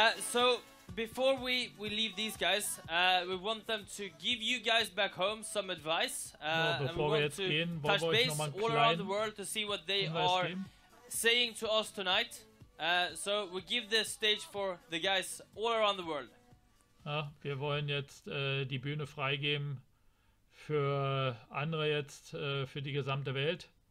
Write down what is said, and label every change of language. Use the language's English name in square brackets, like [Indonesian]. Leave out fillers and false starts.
[English] So before we leave these guys, we want them to give you guys back home some advice. [German] Bevor wir jetzt gehen, wollen wir euch nochmal [English] all around the world to see what they are saying to us tonight. So we give this stage for the guys all around the world. [German] Ja, wir wollen jetzt die Bühne freigeben für andere jetzt für die gesamte Welt.